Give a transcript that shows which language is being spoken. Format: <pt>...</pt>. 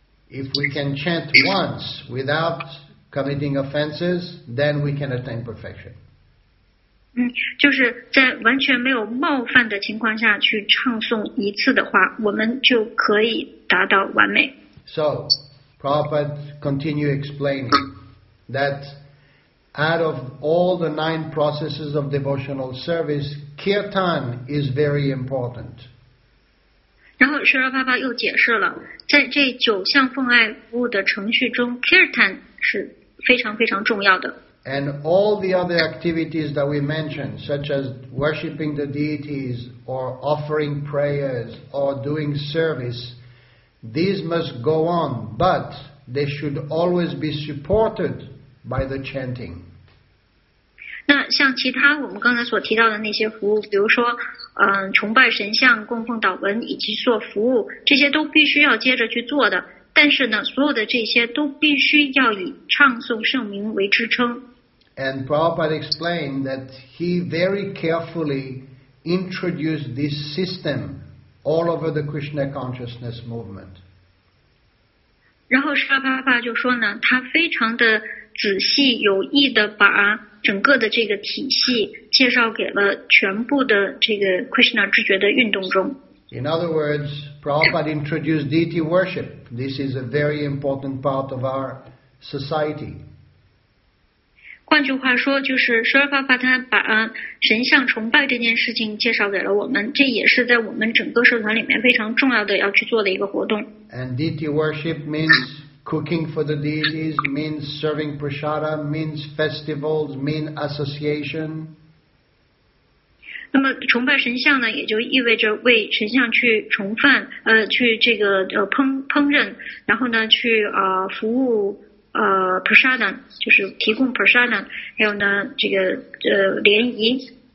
<en>If we can chant once without committing offenses, then we can attain perfection.</en> <zh>就是在完全没有冒犯的情况下去唱诵一次的话，我们就可以。</zh> <en>So, Prabhupada continue explaining that out of all the nine processes of devotional service, kirtan is very important.</en> <zh>然后，舍勒爸爸又解释了，在这九项奉爱服务的程序中 ，kirtan 是非常非常重要的。</zh> <en>And all the other activities that we mentioned, such as worshipping the deities or offering prayers or doing service, these must go on, but they should always be supported by the chanting.</en> <zh>那像其他我们刚才所提到的那些服务，比如说。崇拜神像、供奉祷文以及做服务，这些都必须要接着去做的。但是呢，所有的这些都必须要以唱诵圣名为支撑。</zh> <en>And Prabhupada explained that he very carefully introduced this system all over the Krishna consciousness movement.</en> <zh>然后沙巴巴就说呢，他非常的仔细有意的把。整个的这个体系介绍给了全部的这个 Krishna 知觉的运动中。</zh> <en>In other words, Prabhupada introduced deity worship. This is a very important part of our society.</en> <zh>换句话说，就是舍勒巴巴他把神像崇拜这件事情介绍给了我们，这也是在我们整个社团里面非常重要的要去做的一个活动。</zh> <en>And deity worship means cooking for the deities, means serving prashada, means festivals, means association.</en> <zh>那么崇拜神像呢，也就意味着为神像去崇饭，去这个烹饪，然后呢去服务prashada, 就是提供 prashada, 还有呢这个联谊。</zh>